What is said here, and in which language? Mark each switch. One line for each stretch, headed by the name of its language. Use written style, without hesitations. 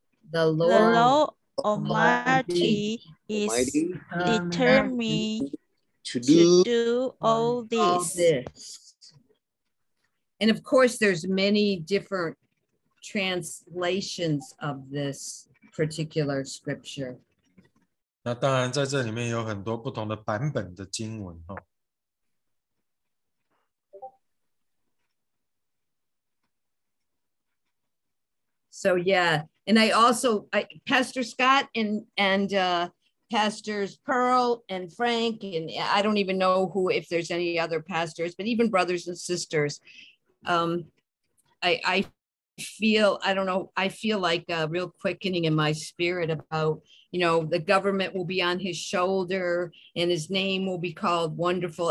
English: The Lord Almighty is determined to do all this. And of course, there's many different translations of this particular scripture.
Chinese: 那当然在这里面有很多不同的版本的经文。So
English: yeah, and I also, Pastor Scott and Pastors Pearl and Frank, and I don't even know who, if there's any other pastors, but even brothers and sisters, I feel like a real quickening in my spirit about, you know, the government will be on his shoulder and his name will be called Wonderful.